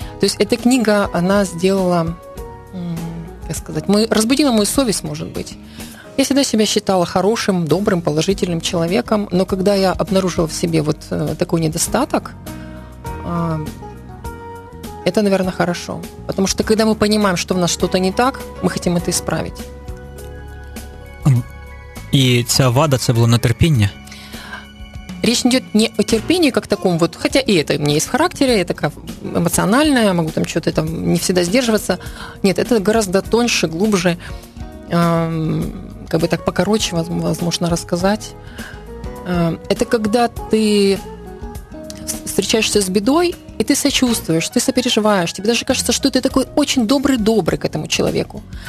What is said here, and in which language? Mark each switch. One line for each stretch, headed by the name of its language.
Russian: То есть эта книга, она сделала, как сказать, разбудила мою совесть, может быть. Я всегда себя считала хорошим, добрым, положительным человеком, но когда я обнаружила в себе вот такой недостаток, это, наверное, хорошо. Потому что когда мы понимаем, что у нас что-то не так, мы хотим это исправить.
Ukrainian: И ця вада, це було нетерпіння?
Russian: Речь идет не о терпении как таком, вот, хотя и это у меня есть в характере, я такая эмоциональная, могу там что-то там не всегда сдерживаться. Нет, это гораздо тоньше, глубже, как бы так покороче, возможно, рассказать. Это когда ты встречаешься с бедой, и ты сочувствуешь, ты сопереживаешь, тебе даже кажется, что ты такой очень добрый-добрый к этому человеку.